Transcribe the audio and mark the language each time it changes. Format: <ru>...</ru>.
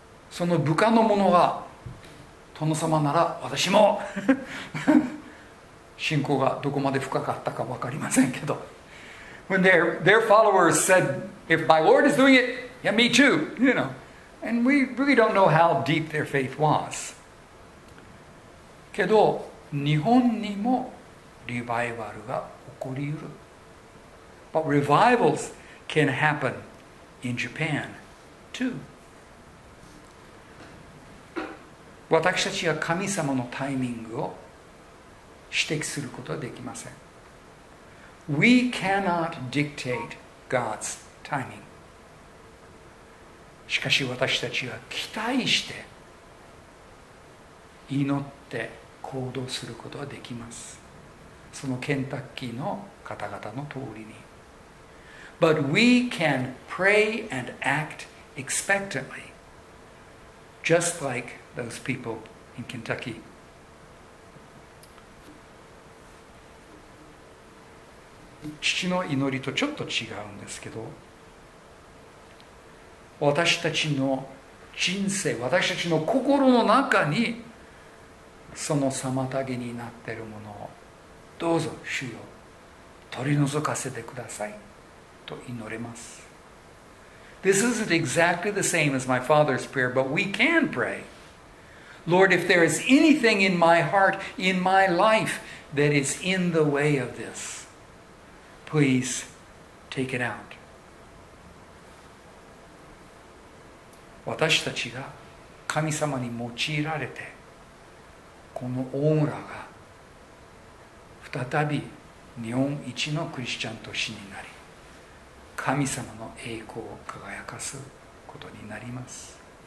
<ja>その部下の者が殿様なら私も信仰がどこまで深かったか分かりませんけど。</ja> <en>When their followers said, if my Lord is doing it, yeah, me too, you know. And we really don't know how deep their faith was.</en> <ja>けど日本にもリバイバルが起こりうる。</ja> <en>But revivals can happen. In Japan, too.</en> <ja>私たちは神様のタイミングを指摘することはできません。</ja> <en>We cannot dictate God's timing.</en> <ja>しかし私たちは期待して祈って行動することはできます。そのケンタッキーの方々の通りに。</ja> <en>But we can pray and act expectantly, just like those people in Kentucky.</en> <ja>父の祈りとちょっと違うんですけど、私たちの人生、私たちの心の中にその妨げになっているものをどうぞ主よ取り除かせてください。と祈れます。</ja> <en>This isn't exactly the same as my father's prayer, but we can pray. Lord, if there is anything in my heart, in my life, that is in the way of this, please take it out.</en> <ja>私たちが神様に用いられて、この大村が再び日本一のクリスチャン都市になり、神様の栄光を輝かすことになります。</ja>